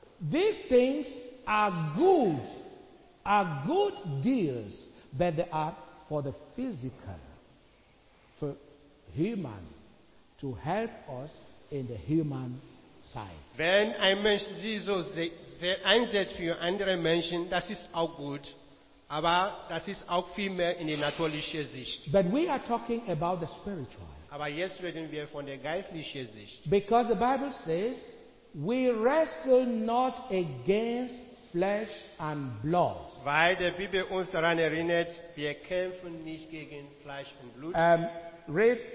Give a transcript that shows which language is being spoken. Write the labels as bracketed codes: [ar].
[en] These things are good deals, but they are for the physical, for human, to help us in the human side. [de] Wenn ein Mensch sich so einsetzt für andere Menschen, das ist auch gut. Aber das ist auch viel mehr in der natürlichen Sicht. [en] But we are talking about the spiritual. [de] Aber jetzt reden wir von der geistlichen Sicht. [en] Because the Bible says, we wrestle not against flesh and blood. [de] Weil die Bibel uns daran erinnert, wir kämpfen nicht gegen Fleisch und Blut.